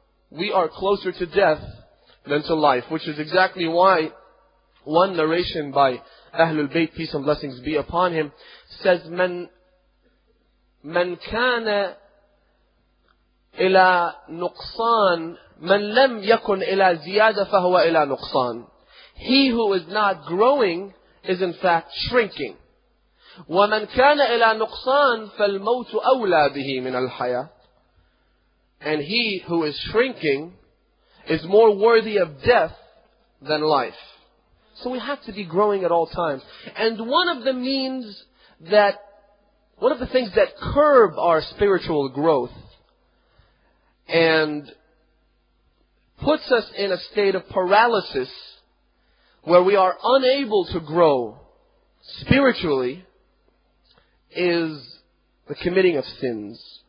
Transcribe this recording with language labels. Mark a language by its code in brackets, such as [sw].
[en] we are closer to death than to life, which is exactly why one narration by Ahlul Bayt, peace and blessings be upon him, says, [ar] من كان إلى نقصان [en] من لم يكن إلى زيادة فهو إلى نقصان. He who is not growing is in fact shrinking. [ar] ومن كان إلى نقصان فالموت أولى به من الحياة. [en] And he who is shrinking is more worthy of death than life. So we have to be growing at all times. And one of the things that curb our spiritual growth and puts us in a state of paralysis where we are unable to grow spiritually is the committing of sins.